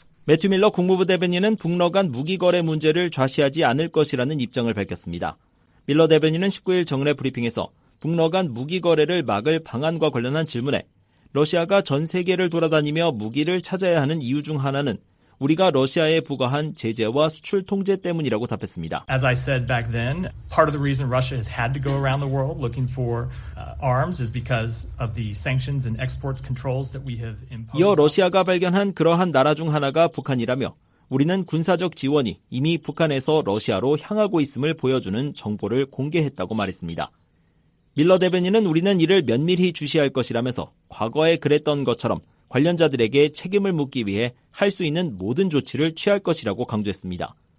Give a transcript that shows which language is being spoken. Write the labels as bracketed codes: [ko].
[ko] 매튜 밀러 국무부 대변인은 북러 간 무기 거래 문제를 좌시하지 않을 것이라는 입장을 밝혔습니다. 밀러 대변인은 19일 정례 브리핑에서 북러 간 무기 거래를 막을 방안과 관련한 질문에 러시아가 전 세계를 돌아다니며 무기를 찾아야 하는 이유 중 하나는 우리가 러시아에 부과한 제재와 수출 통제 때문이라고 답했습니다. [en] As I said back then, part of the reason Russia has had to go around the world looking for arms is because of the sanctions and export controls that we have imposed. [ko] 이어 러시아가 발견한 그러한 나라 중 하나가 북한이라며 우리는 군사적 지원이 이미 북한에서 러시아로 향하고 있음을 보여주는 정보를 공개했다고 말했습니다. 밀러 대변인은 우리는 이를 면밀히 주시할 것이라면서 과거에 그랬던 것처럼 관련자들에게 책임을 묻기 위해 할 수 있는 모든 조치를 취할 것이라고 강조했습니다.